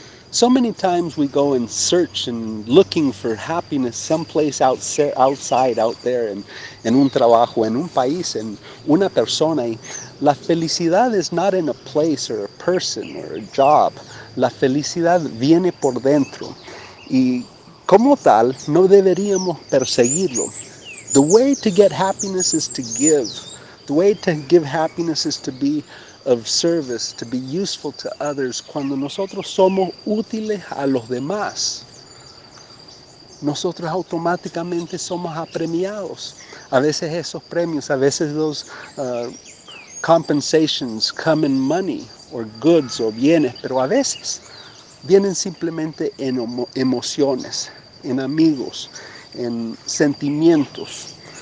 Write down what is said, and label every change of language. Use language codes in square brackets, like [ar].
[en] So many times we go and search and looking for happiness someplace outside, out there, [es] en un trabajo, en un país, en una persona. Y la felicidad [en] is not in a place or a person or a job. [es] La felicidad viene por dentro. Y como tal, no deberíamos perseguirlo. [en] The way to get happiness is to give. The way to give happiness is to be of service, to be useful to others. [es] Cuando nosotros somos útiles a los demás, nosotros automáticamente somos apremiados. A veces esos premios, a veces [en] those compensations come in money or goods or [es] bienes, pero a veces vienen simplemente en emociones, en amigos, en sentimientos.